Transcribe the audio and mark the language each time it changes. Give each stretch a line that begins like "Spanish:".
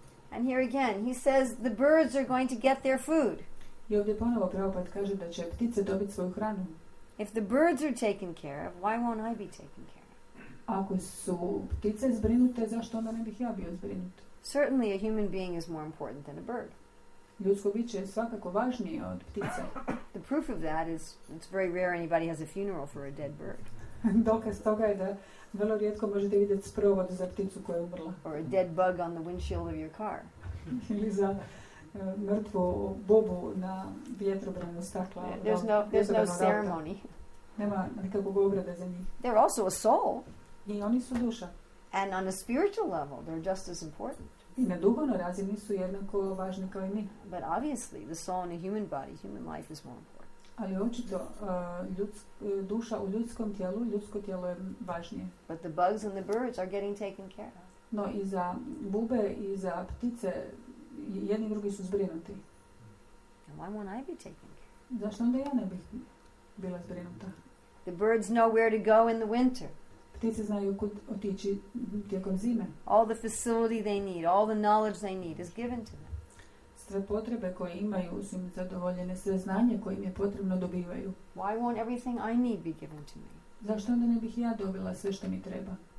English: And here again, he says the birds are going to get their food.
Croatian: I ovdje ponovo Prabhupada kaže da će ptice dobiti svoju hranu.
English: If the birds are taken care of, why won't I be taken care of?
Croatian: Ako su ptice zbrinute, zašto onda ne bih ja bio zbrinut?
English: Certainly a human being is more important than a bird.
Croatian: Ljudsko biće je svakako važnije od ptice.
English: The proof of that is it's very rare anybody has a funeral for a dead bird.
Croatian: Dokaz toga je da vrlo rijetko možete vidjeti sprovod za pticu koja je umrla.
English: Or a dead bug on the windshield of your car.
Croatian: Ili za mrtvu bobu na vjetrobranu stakla.
English: There's no ceremony.
Croatian: Nema nikakvog obrada za njih.
English: They're also a soul.
Croatian: I oni su duša.
English: And on a spiritual level, they're just as important.
Croatian: I na duhovnoj razini su jednako važni kao i mi.
English: But obviously, the soul in a human body, human life is more important.
Croatian: Ali očito duša u ljudskom tijelu, ljudsko tijelo je važnije.
English: But the bugs and the birds are getting taken care of.
Croatian: No i za bube i za ptice jedni drugi su zbrinuti.
English: And why won't I be taken care of?
Croatian: Zašto onda ja ne bih bila zbrinuta?
English: The birds know where to go in the winter.
Croatian: Ptice znaju kud otići tijekom zime.
English: All the facility they need, all the knowledge they need is given to them.
Croatian: Sve potrebe koje imaju su im zadovoljene, sve znanje koje im je potrebno dobivaju.
English: Why won't everything I need be given to me?
Croatian: Zašto onda ne bih ja dobila sve što mi treba?